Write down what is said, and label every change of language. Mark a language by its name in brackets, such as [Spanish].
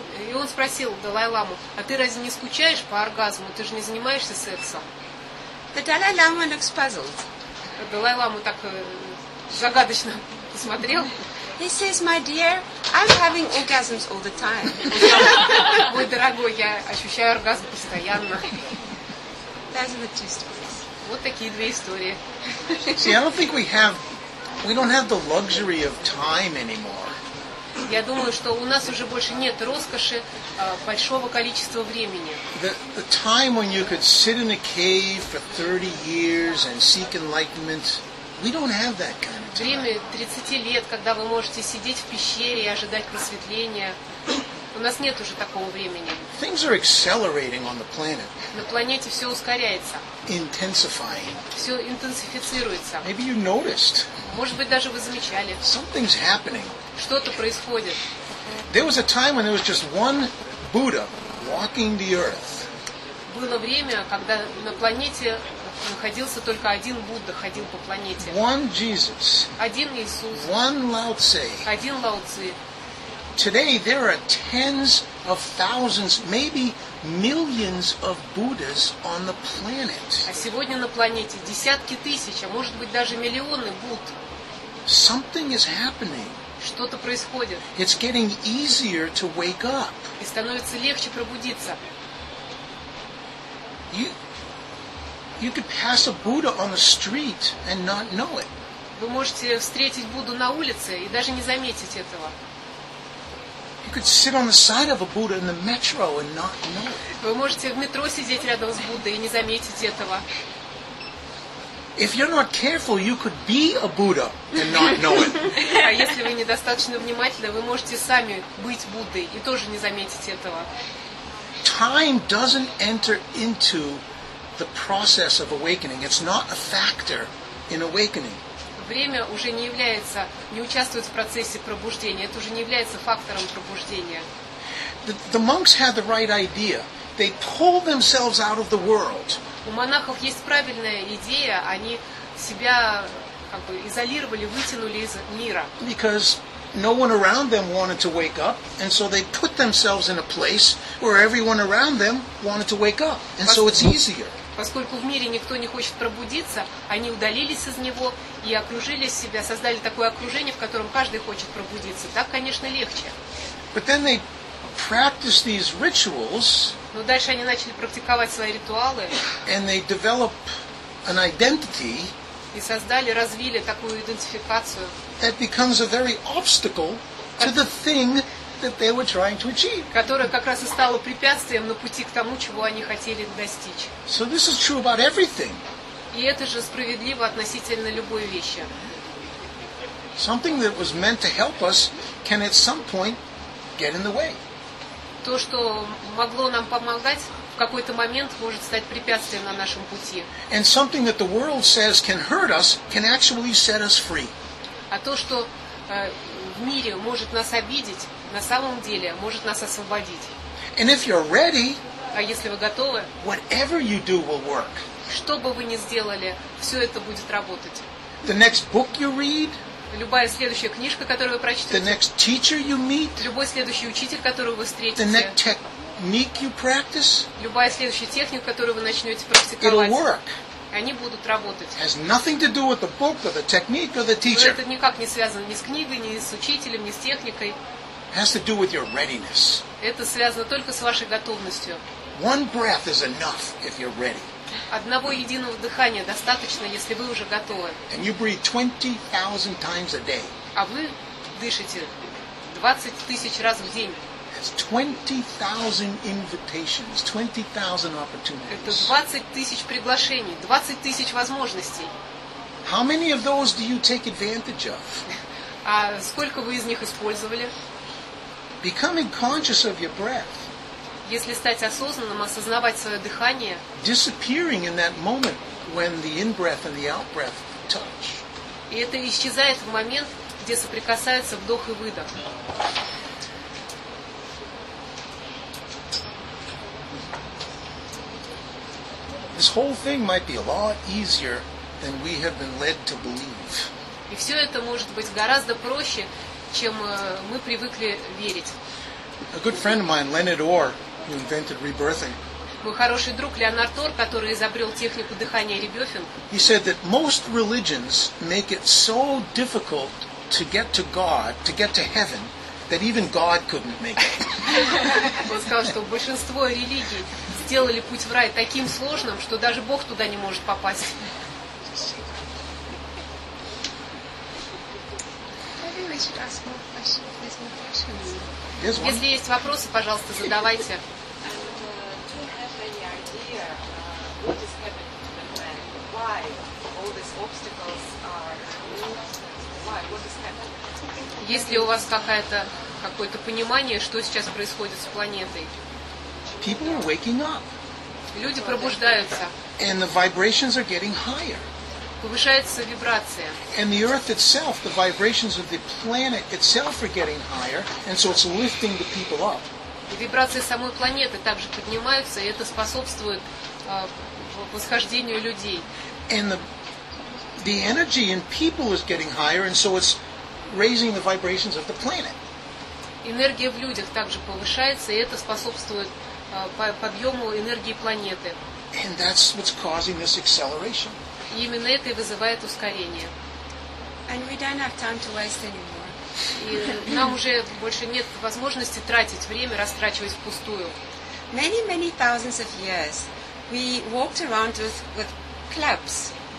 [Russian] И он спросил Далай Ламу, а ты разве не скучаешь по оргазму? Ты же не занимаешься сексом. [English] The Dalai Lama looks puzzled. [Russian] Далай Ламу так загадочно посмотрел. [English] He says, my dear, I'm having orgasms all the time. [Russian] Мой дорогой, я ощущаю оргазм постоянно. [English] Those are the two stories. [Russian] Вот такие две истории. [English] See, I don't think we don't have the luxury of time anymore. [Russian] Я думаю, что у нас уже больше нет роскоши большого количества времени. [English] The time when you could sit in a cave for 30 years and seek enlightenment, we don't have that kind of time. [Russian] Время 30 лет, когда вы можете сидеть в пещере и ожидать просветления. У нас нет уже такого времени. [English] Things are accelerating on the planet. [Russian] На планете все ускоряется. [English] Intensifying. [Russian] Все интенсифицируется. [English] Maybe you noticed. [Russian] Может быть, даже вы замечали. [English] Something's happening. [Russian] Что-то происходит. [English] There was a time when there was just one Buddha walking the earth. [Russian] Было время, когда на планете находился только один Будда, ходил по планете. [English] One Jesus. [Russian] Один Иисус. [English] One Lao Tse. [Russian] Один Лао Цзи. [English] Today there are tens of thousands, maybe millions of Buddhas on the planet. [Russian] А сегодня на планете десятки тысяч, а может быть даже миллионы Будд. [English] Something is happening. [Russian] Что-то происходит. [English] It's getting easier to wake up. [Russian] И становится легче пробудиться. [English] You could pass a Buddha on the street and not know it. [Russian] Вы можете встретить Будду на улице и даже не заметить этого. [English] You could sit on the side of a Buddha in the metro and not know. [Russian] Вы можете в метро сидеть рядом с Буддой и не заметить этого. [English] If you're not careful, you could be a Buddha and not know it. [Russian] А если вы недостаточно внимательны, вы можете сами быть Буддой и тоже не заметить этого. [English] Time doesn't enter into the process of awakening. It's not a factor in awakening. [Russian] Время уже не является, не участвует в процессе пробуждения. Это уже не является фактором пробуждения. [English] The monks had the right idea. They pull themselves out of the world. [Russian] У монахов есть правильная идея. Они себя как бы изолировали, вытянули из мира. [English] Because no one around them wanted to wake up, and so they put themselves in a place where everyone around them wanted to wake up, and so it's easier. [Russian] Поскольку в мире никто не хочет пробудиться, они удалились из него и окружили себя, создали такое окружение, в котором каждый хочет пробудиться. Так, конечно, легче. [English] But then they practice these rituals. [Russian] Но дальше они начали практиковать свои ритуалы. [English] And they develop an identity. [Russian] И создали, развили такую идентификацию. [English] That becomes a very obstacle to the thing that they were trying to achieve. [Russian] Которая как раз и стала препятствием на пути к тому, чего они хотели достичь. [English] So this is true about everything. [Russian] И это же справедливо относительно любой вещи. [English] Something that was meant to help us can at some point get in the way. [Russian] То, что могло нам помогать, в какой-то момент может стать препятствием на нашем пути. [English] And something that the world says can hurt us can actually set us free. [Russian] А то, что в мире может нас обидеть, на самом деле может нас освободить. [English] And if you're ready, [Russian] а если вы готовы, [English] whatever you do will work. [Russian] Что бы вы ни сделали, все это будет работать. [English] The next book you read, [Russian] любая следующая книжка, которую вы прочтете, [English] the next teacher you meet, [Russian] любой следующий учитель, которого вы встретите, [English] the next technique you practice, [Russian] любая следующая техника, которую вы начнете практиковать, [English] it'll work. [Russian] Они будут работать. [English] Has nothing to do with the book or the technique or the teacher. [Russian] Это никак не связано ни с книгой, ни с учителем, ни с техникой. [English] Has to do with your readiness. [Russian] Это связано только с вашей готовностью. [English] One breath is enough if you're ready. [Russian] Одного единого дыхания достаточно, если вы уже готовы. [English] And you breathe 20,000 times a day. [Russian] А вы дышите 20 тысяч раз в день. [English] 20,000 invitations, 20,000 opportunities. [Russian] Это 20,000 приглашений, 20,000 возможностей. [English] How many of those do you take advantage of? [Russian] А сколько вы из них использовали? [English] Becoming conscious of your breath. [Russian] Если стать осознанным, осознавать свое дыхание. [English] Disappearing in that moment when the in-breath and the out-breath touch. [Russian] И это исчезает в момент, где соприкасаются вдох и выдох. [English] This whole thing might be a lot easier than we have been led to believe. [Russian] И все это может быть гораздо проще, чем мы привыкли верить. [English] A good friend of mine, Leonard Orr, who invented rebirthing. [Russian] Мой хороший друг Леонард Орр, который изобрел технику дыхания ребёфинг. [English] He said that most religions make it so difficult to get to God, to get to heaven, that even God couldn't make it. [Russian] Он сказал, что большинство религий сделали путь в рай таким сложным, что даже Бог туда не может попасть. Если есть вопросы, пожалуйста, задавайте. Есть ли у вас какое-то понимание, что сейчас происходит с планетой? [English] People are waking up. [Russian] Люди пробуждаются. [English] And the vibrations are getting higher. [Russian] Повышается вибрация. [English] And the earth itself, the vibrations of the planet itself are getting higher, and so it's lifting the people up. [Russian] И вибрации самой планеты также поднимаются, и это способствует восхождению людей. [English] And the energy in people is getting higher, and so it's raising the vibrations of the planet. [Russian] Энергия в людях также повышается, и это способствует подъему энергии планеты. [English] And that's what's causing this acceleration. [Russian] И именно это и вызывает ускорение. [English] And we don't have time to waste anymore. [Russian] И нам уже больше нет возможности тратить время, растрачивать впустую. [English] Many, many thousands of years we walked around with clubs.